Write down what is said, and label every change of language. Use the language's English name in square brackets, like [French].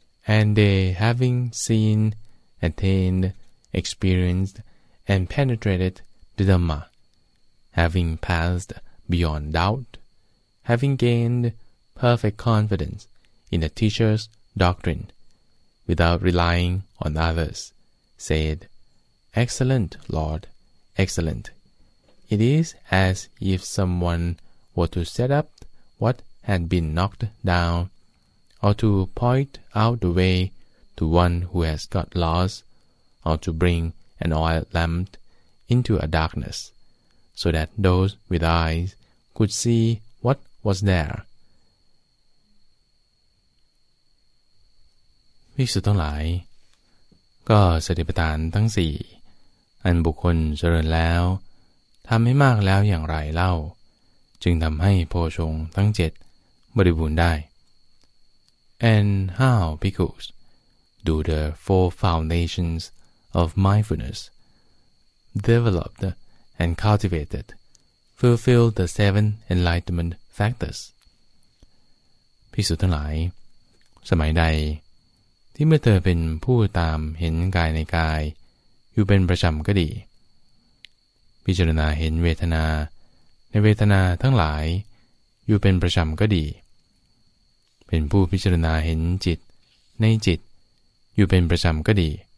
[English] And they having seen, attained, experienced, and penetrated the Dhamma, having passed beyond doubt, having gained perfect confidence in the teacher's doctrine, without relying on others, said, Excellent, Lord, excellent. It is as if someone were to set up what had been knocked down, or to point out the way to one who has got lost, or to bring an oil lamp into a darkness, so that those with eyes could see what was there. [Thai] ภิกษุทั้งหลายก็สติปัฏฐานทั้ง4อันบุคคลเจริญแล้วทำให้มากแล้วอย่างไรเล่าจึงทำให้โพชฌงค์ทั้ง7บริบูรณ์ได้ [English] And how, bhikkhus, do the four foundations of mindfulness developed and cultivated fulfill the seven enlightenment factors? [Thai] ภิกษุทั้งหลายสมัยใดที่เมื่อเธอเป็นผู้ตามเห็นกายในกายอยู่เป็นประจำก็ดีพิจารณาเห็นเวทนาในเวทนาทั้งหลายอยู่เป็นประจำก็ดีเป็นผู้พิจารณาเห็นจิตในจิตอยู่เป็นประจำก็ดี